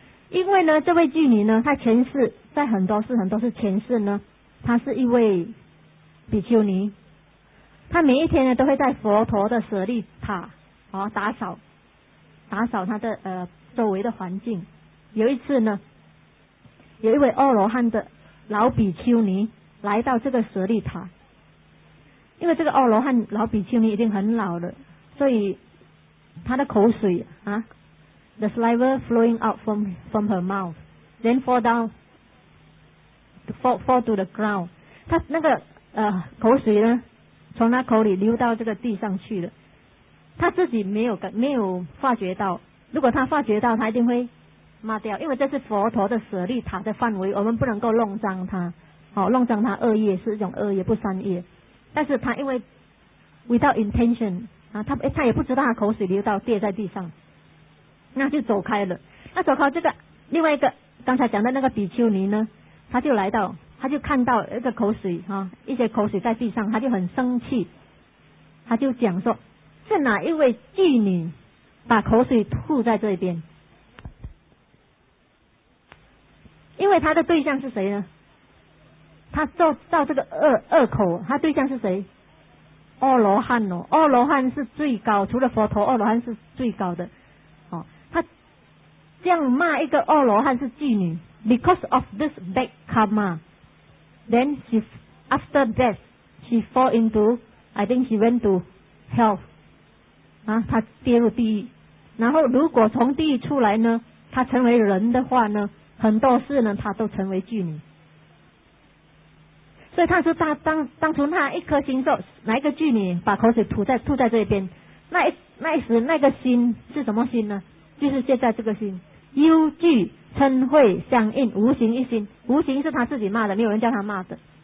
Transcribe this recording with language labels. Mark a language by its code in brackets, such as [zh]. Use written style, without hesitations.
[zh] 因为呢，这位妓女呢，她前世在很多世前世呢，她是一位比丘尼，她每一天呢都会在佛陀的舍利塔啊、哦、打扫她的周围的环境。有一次呢，有一位阿罗汉的老比丘尼来到这个舍利塔，因为这个阿罗汉老比丘尼已经很老了，所以他的口水啊。 [en] The saliva flowing out from her mouth, then fall to the ground. [zh] 她那个口水呢，从她口里流到这个地上去了。她自己没有发觉到，如果她发觉到，她一定会骂掉，因为这是佛陀的舍利塔的范围，我们不能够弄脏它。好、哦，弄脏它恶业是一种恶业，不善业。但是她因为 [en] without intention [zh] 啊，她也不知道她口水流到跌在地上。那就走开了。那走开这个另外一个刚才讲的那个比丘尼呢，他就来到，他就看到一个口水啊，一些口水在地上，他就很生气，他就讲说是哪一位妓女把口水吐在这边。因为他的对象是谁呢？他造这个恶口，他对象是谁？阿罗汉哦，阿罗汉是最高，除了佛陀阿罗汉是最高的。这样骂一个阿罗汉是妓女 [en] ，because of this bad karma， then she after death she fall into， I think she went to hell， [zh] 啊，她跌入地狱。然后如果从地狱出来呢，她成为人的话呢，很多事呢她都成为妓女。所以她是当初那一颗心说，哪一个妓女把口水吐在这边，那时那个心是什么心呢？就是现在这个心，忧惧嗔恚相应无形一心，无形是他自己骂的，没有人叫他骂的。